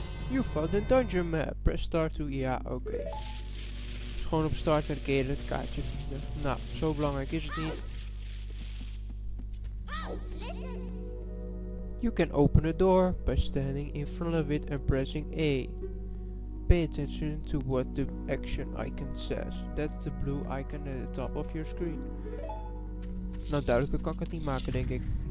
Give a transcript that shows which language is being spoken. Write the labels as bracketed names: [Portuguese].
[English] You found a dungeon map. Press start to... [Dutch] Ja, oké. Dus gewoon op start en keer het kaartje vinden. Nou, zo belangrijk is het niet. [English] You can open a door by standing in front of it and pressing A. Pay attention to what the action icon says. That's the blue icon at the top of your screen. [Dutch] Nou, duidelijker kan ik het niet maken, denk ik.